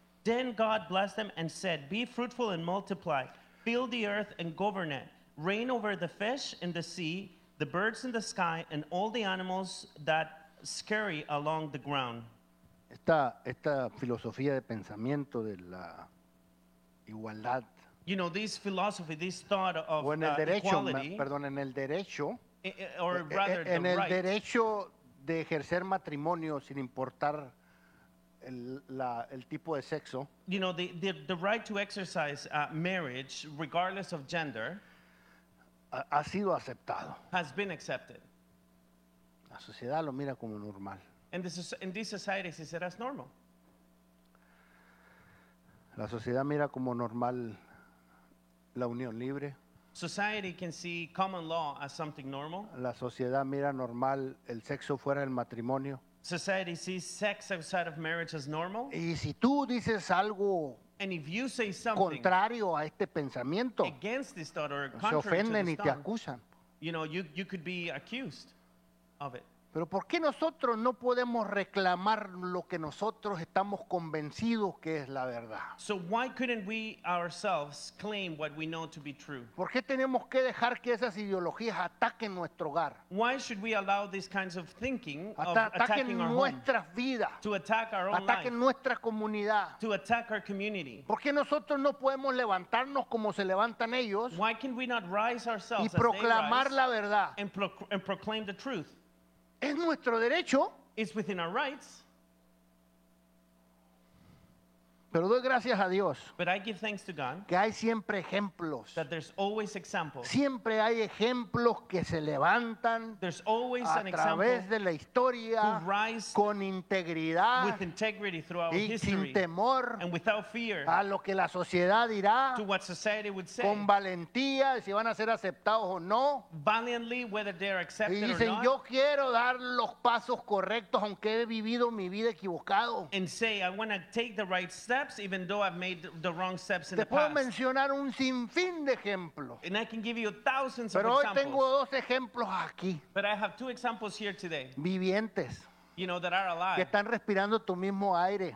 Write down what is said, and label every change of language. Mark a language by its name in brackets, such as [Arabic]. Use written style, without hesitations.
[English] Then God blessed them and said, be fruitful and multiply, fill the earth and govern it, reign over the fish in the sea, the birds in the sky, and all the animals that scurry along the ground. [Spanish] Esta filosofía de pensamiento de la igualdad. [English] You know, this philosophy, this thought of equality. [Spanish] O en el derecho, perdón, en el derecho. [English] Or rather the right. [Spanish] En el derecho de ejercer matrimonio sin importar el tipo de sexo. [English] You know, the right to exercise marriage, regardless of gender. [Spanish] Ha sido aceptado. [English] Has been accepted. [Spanish] La sociedad lo mira como normal. [English] In this society, it's said as normal. [Spanish] La sociedad mira como normal la unión libre. [English] Society can see common law as something normal. [Spanish] La sociedad mira normal el sexo fuera del matrimonio. [English] Society sees sex outside of marriage as normal. [Spanish] Y si tú dices algo contrario a este pensamiento, [English] against this thought or contrary, [Spanish] se ofenden [English] to [Spanish] y te acusan. [English] You know, you could be accused of it. [Spanish] Pero ¿por qué nosotros no podemos reclamar lo que nosotros estamos convencidos que es la verdad? [English] So why couldn't we ourselves claim what we know to be true? [Spanish] ¿Por qué tenemos que dejar que esas ideologías ataquen nuestro hogar? [English] Why should we allow these kinds of thinking of attacking [Spanish] nuestras vidas? [English] To attack our own life. [Spanish] Ataquen nuestra comunidad. [English] To attack our community. [Spanish] ¿Por qué nosotros no podemos levantarnos como se levantan ellos? [English] Why can we not rise ourselves [Spanish] y proclamar la verdad? [English] And proclaim the truth. [Spanish] Es nuestro derecho. [English] It's within our rights. [Spanish] Pero doy gracias a Dios. [English] But I give thanks to God. [Spanish] Que hay siempre ejemplos. [English] That there's always examples. [Spanish] Siempre hay ejemplos que se levantan. [English] There's always an example. [Spanish] A través de la historia. [English] Who rise. [Spanish] Con integridad. [English] With integrity throughout history. [Spanish] Y sin temor. [English] And without fear. [Spanish] A lo que la sociedad dirá. [English] To what society would say. [Spanish] Con valentía. Si van a ser aceptados o no. [English] Valiantly, whether they are accepted or not. [Spanish] Y dicen, yo quiero dar los pasos correctos, aunque he vivido mi vida equivocado. [English] And say, I want to take the right step. Even though I've made the wrong steps in the past. [Spanish] Mencionar un sinfín de ejemplos. [English] And I can give you thousands [Spanish] Pero hoy [English] examples. [Spanish] Tengo dos ejemplos aquí. [English] But I have two examples here today. [Spanish] Vivientes. [English] You know, that are alive. [Spanish] Que están respirando tu mismo aire.